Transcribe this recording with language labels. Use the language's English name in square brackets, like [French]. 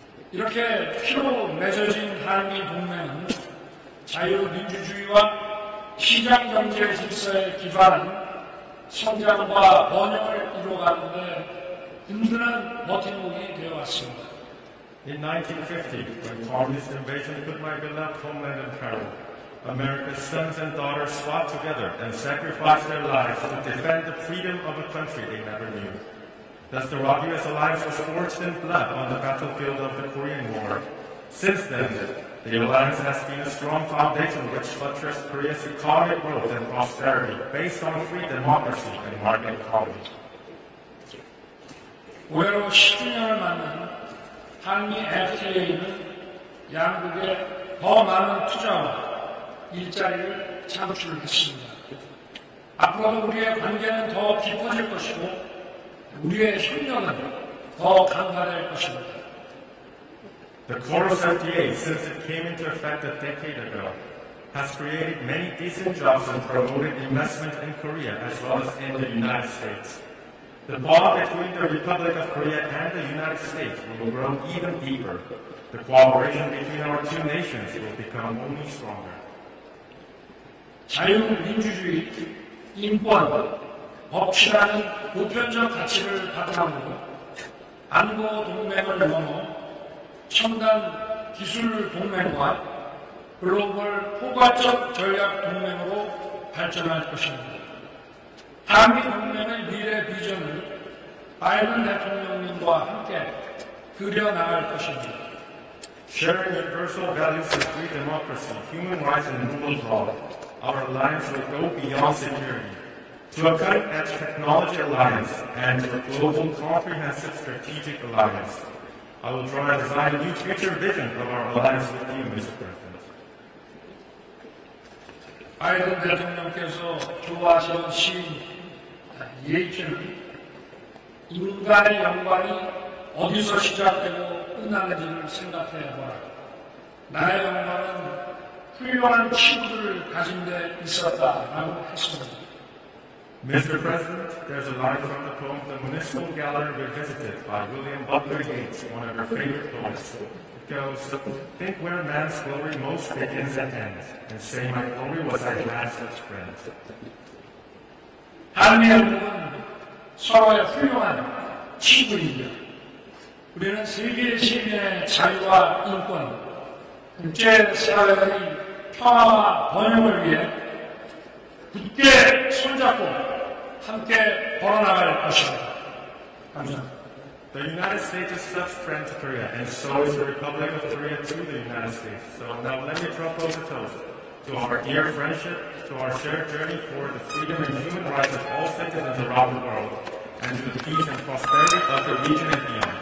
[Korean] 이렇게 피로 맺어진 한미 동맹은 자유민주주의와 시장경제 질서에 기반한 성장과 번영을 이루어가는 데 든든한 버팀목이 되어왔습니다. [English] In 1950, when communist invasion took my beloved homeland in peril, America's sons and daughters fought together and sacrificed their lives to defend the freedom of a country they never knew. Thus, the Rock-U.S. alliance was forged in blood on the battlefield of the Korean War. Since then, the alliance has been a strong foundation which buttressed Korea's economic growth and prosperity based on free democracy and market economy. [Korean] 올해로 10주년을 맞는 한미 FTA는 양국에 더 많은 투자와 일자리를 창출했습니다. 앞으로도 우리의 관계는 더 깊어질 것이고 우리의 협력은 더 강화될 것입니다. [English] The core of FTA, since it came into effect a decade ago, has created many decent jobs and promoted investment in Korea as well as in the United States. The bond between the Republic of Korea and the United States will grow even deeper. The cooperation between our two nations will become only stronger. [Korean] 자유민주주의, 인권, 법치라는 보편적 가치를 바탕으로 안보 동맹을 넘어 첨단 기술 동맹과 글로벌 포괄적 전략 동맹으로 발전할 것입니다. 한미 동맹의 미래 비전을 바이든 대통령님과 함께 그려나갈 것입니다. [English] Sharing universal values of free democracy, human rights, and rule of law, our alliance will go beyond security to a cutting-edge technology alliance and to a global comprehensive strategic alliance. I will try to design a new future vision of our alliance with you, Mr. President. [Korean] 바이든 대통령께서 좋아하시는 시인 예이츠는 인간의 영광이 어디서 시작되고 끝나는지를 생각해 봐라. 나의 영광은 훌륭한 친구들을 가진 데 있었다라고 했습니다. [English] Mr. President, there's a line from the poem The Municipal Gallery Revisited by William Butler Yeats, one of your favorite poets. It goes, think where man's glory most begins and ends, and say my glory was at last such friends. [Korean] 한미 양국은 서로의 훌륭한 친구입니다. 우리는 세계 시민의 자유와 인권, 국제 사회의 평화와 번영을 위해 굳게 손잡고 함께 벌어나갈 것입니다. 감사합니다. [English] The United States is such friend to Korea, and so is the Republic of Korea to the United States. So now let me propose a toast to our dear friendship, to our shared journey for the freedom and human rights of all citizens around the world, and to the peace and prosperity of the region and beyond.